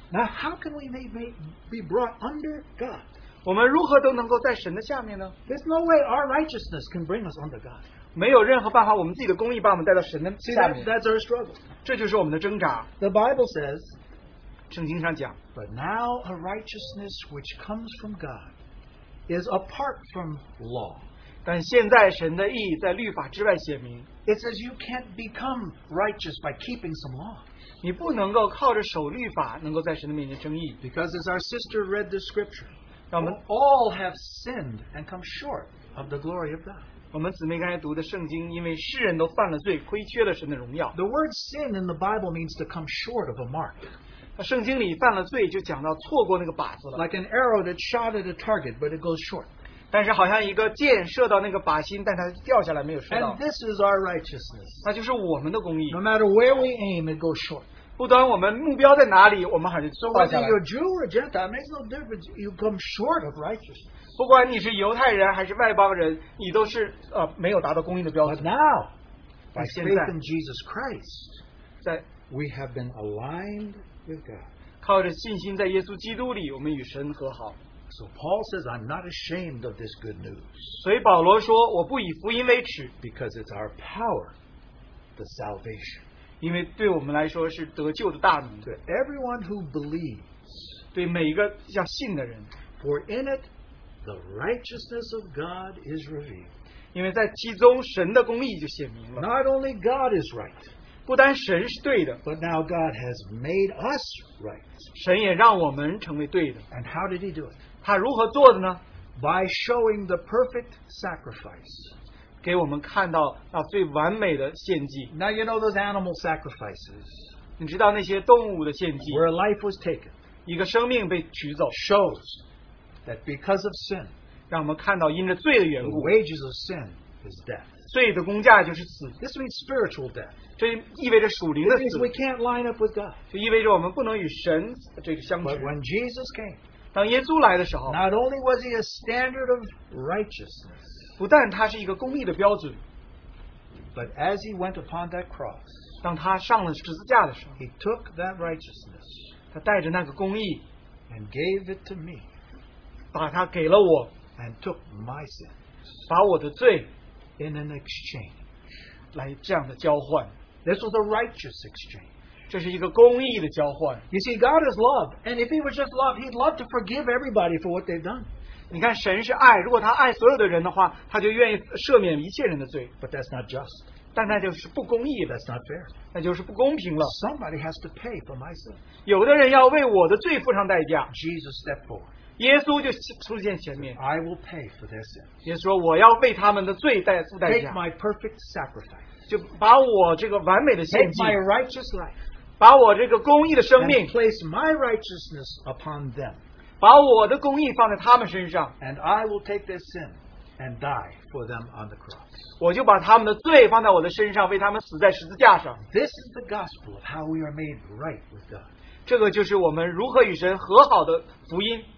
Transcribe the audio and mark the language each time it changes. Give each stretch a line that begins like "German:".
English: Now how can we be brought under God?
Chinese: 我们如何都能够在神的下面呢？
English: There's no way our righteousness can bring us under God.
Chinese: 没有任何办法，我们自己的公义把我们带到神的下面。
English: See, that's our struggle.
Chinese: 这就是我们的挣扎。
English: The Bible says,
Chinese: 圣经上讲，
English: But now a righteousness which comes from God is apart from law.
Chinese: 但现在神的义在律法之外显明。
English: It says you can't become righteous by keeping some law.
Chinese: 你不能够靠着守律法能够在神的面前称义。
English: Because as our sister read the scripture,
Chinese: 我们
English: all have sinned and come short of the glory of God.
Chinese: 我们姊妹刚才读的圣经，因为世人都犯了罪，亏缺了神的荣耀。
English: The word sin in the Bible means to come short of a mark.
Chinese: 圣经里犯了罪就讲到错过那个靶子了。
English: Like an arrow that shot at a target, but it goes short.
Chinese: 但是好像一个箭射到那个靶心，但它掉下来没有射到。
English: And this is our righteousness.
Chinese: 那就是我们的公义。
English: No matter where we aim, it goes short.
Chinese: 不管我们目标在哪里，我们还是错下来。
English: So whether you're Jew or Gentile, makes no difference. You come short of righteousness.
Chinese: 不管你是犹太人还是外邦人，你都是没有达到公义的标准。
English: But now, by faith in Jesus Christ, that we have been aligned with God.
Chinese: 靠着信心在耶稣基督里，我们与神和好。
English: So Paul says, "I'm not ashamed of this good news."
Chinese: 所以保罗说，我不以福音为耻。
English: Because it's our power, the salvation.
Chinese: 因为对我们来说是得救的大能。对
English: everyone who believes,
Chinese: 对每一个要信的人。
English: For in it, the righteousness of God is revealed.
Chinese: 因为在其中神的公义就显明了。
English: Not only God is right,
Chinese: 不单神是对的。
English: But now God has made us right.
Chinese: 神也让我们成为对的。
English: And how did he do it?
Chinese: 他如何做的呢？
English: By showing the perfect sacrifice.
Chinese: 给我们看到那最完美的献祭。
English: Now you know those animal sacrifices.
Chinese: 你知道那些动物的献祭。
English: Where a life was taken.
Chinese: 一个生命被取走。
English: Shows that because of sin.
Chinese: 让我们看到因着罪的缘故。
English: The wages of sin is death.
Chinese: 罪的工价就是死。
English: This means spiritual death.
Chinese: 这意味着属灵的死。
English: It means we can't line up with God.
Chinese: 就意味着我们不能与神这个相称。
English: But when Jesus came.
Chinese: 当耶稣来的时候。
English: Not only was he a standard of righteousness.
Chinese: 不但它是一个公义的标准
English: But as he went upon that cross,
Chinese: 当他上了十字架的时候,
English: he took that righteousness
Chinese: 他带着那个公义,
English: and gave it to me
Chinese: 把他给了我,
English: and took my sin
Chinese: 把我的罪,
English: in an exchange
Chinese: 来这样的交换,
English: this was a righteous exchange.
Chinese: 这是一个公义的交换.
English: You see, God is love, and if he was just love, he'd love to forgive everybody for what they've done.
Chinese: 你看神是爱, 如果他爱所有的人的话, 他就愿意赦免一切人的罪.
English: But that's not just.
Chinese: 但那就是不公义的,
English: that's not fair.
Chinese: 那就是不公平了.
English: Somebody has to pay for my sin.
Chinese: 有的人要为我的罪付上代价.
English: Jesus stepped forward.
Chinese: 耶稣就出现前面.
English: I will pay for their sin.
Chinese: 耶稣说, 我要为他们的罪付代价.
English: Take my perfect sacrifice.
Chinese: 就把我这个完美的献祭.
English: Take my righteous life.
Chinese: 把我这个公义的生命.
English: And place my righteousness upon them.
Chinese: 把我的公义放在他们身上.
English: And I will take their sin and die for them on the cross.
Chinese: 我就把他们的罪放在我的身上, 为他们死在十字架上.
English: This is the gospel of how we are made right with God.
Chinese: 这个就是我们如何与神和好的福音.